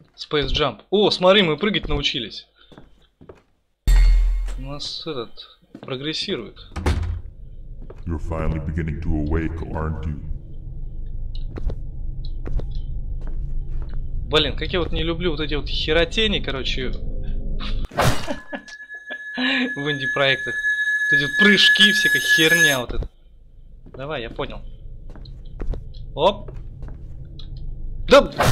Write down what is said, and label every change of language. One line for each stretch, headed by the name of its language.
English: Space Jump.
Russian: О, смотри, мы прыгать научились. У нас этот прогрессирует.
English: You're finally beginning to awake, aren't you?
Russian: Блин, как я вот не люблю вот эти вот херотени, короче, в инди-проектах. Вот эти вот прыжки, всякая херня вот эта. Давай, я понял. Оп! Да!